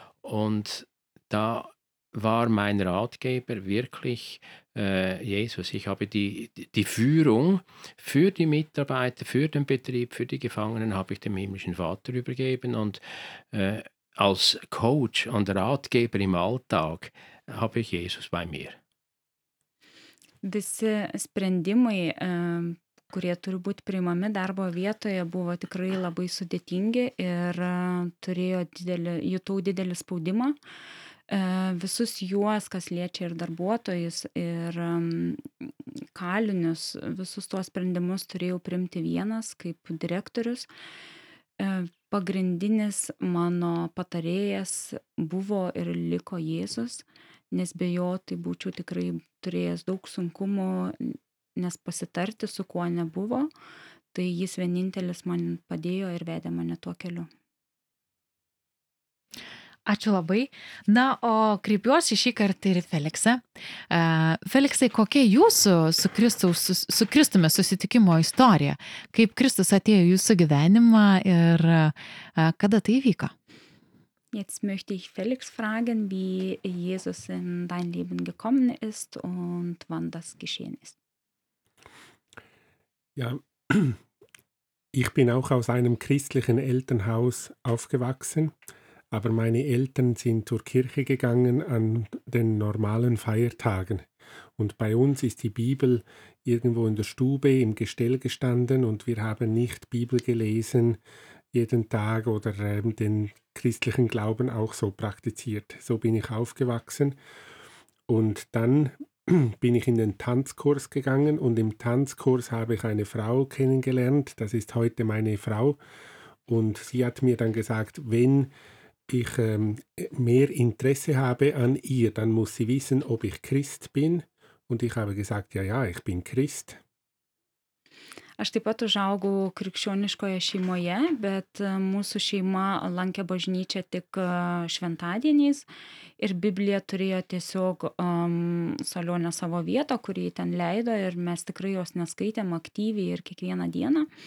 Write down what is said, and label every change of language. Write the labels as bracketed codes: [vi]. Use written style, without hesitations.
[de] Und da war mein Ratgeber wirklich Jesus. Ich habe die Führung für die Mitarbeiter, für den Betrieb, für die Gefangenen habe ich dem himmlischen Vater übergeben. Und als Coach und Ratgeber im Alltag habe ich Jesus bei mir. [lt] Visi sprendimai, kurie turi būti priimami darbo vietoje, buvo tikrai labai sudėtingi ir turėjo jutau didelį spaudimą. Visus juos, kas liečia ir darbuotojus, ir kalinius, visus tuos sprendimus turėjau priimti vienas kaip direktorius. Pagrindinis mano patarėjas buvo ir liko Jėzus, nes be jo tai būčiau tikrai turėjęs daug sunkumų, nes pasitarti su kuo nebuvo, tai jis vienintelis man padėjo ir vedė mane tuo keliu. Ačiū labai. Na, o kreipiuosi šį kartą ir Feliksą. Feliksai, kokia jūsų su Kristumi susitikimo istorija? Kaip Kristus atėjo jūsų gyvenimą ir kada tai vyko? [de] Jetzt möchte ich Felix fragen, wie Jesus in dein Leben gekommen ist und wann das geschehen ist. Ja, ich bin auch aus einem christlichen Elternhaus aufgewachsen. Aber meine Eltern sind zur Kirche gegangen an den normalen Feiertagen. Und bei uns ist die Bibel irgendwo in der Stube im Gestell gestanden und wir haben nicht Bibel gelesen jeden Tag oder den christlichen Glauben auch so praktiziert. So bin ich aufgewachsen. Und dann bin ich in den Tanzkurs gegangen und im Tanzkurs habe ich eine Frau kennengelernt. Das ist heute meine Frau. Und sie hat mir dann gesagt, wenn ich mehr Interesse habe an ihr, dann muss sie wissen, ob ich Christ bin. Und ich habe gesagt, ja, ich bin Christ. [lt] Aš taip pat užaugau krikščioniškoje šeimoje, bet mūsų šeima lankė bažnyčią tik šventadieniais ir Biblija turėjo tiesiog salionę savo vietą, kurį ten leido ir mes tikrai jos neskaitėm aktyviai ir kiekvieną dieną.